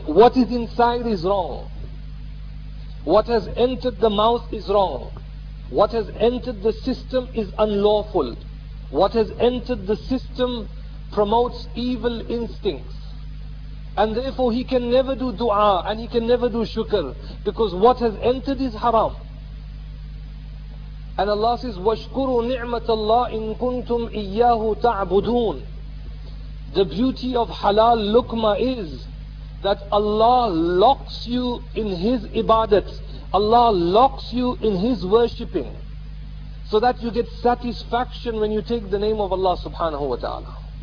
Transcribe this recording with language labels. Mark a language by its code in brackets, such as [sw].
[en] What is inside is wrong. What has entered the mouth is wrong. What has entered the system is unlawful. What has entered the system promotes evil instincts. And therefore he can never do dua and he can never do shukr, because what has entered is haram. And Allah says, [ar] وَاشْكُرُوا نِعْمَةَ اللَّهِ إِن كُنْتُمْ إِيَّاهُ تَعْبُدُونَ. [en] The beauty of halal luqma is that Allah locks you in His ibadat. Allah locks you in His worshipping, so that you get satisfaction when you take the name of Allah subhanahu wa ta'ala.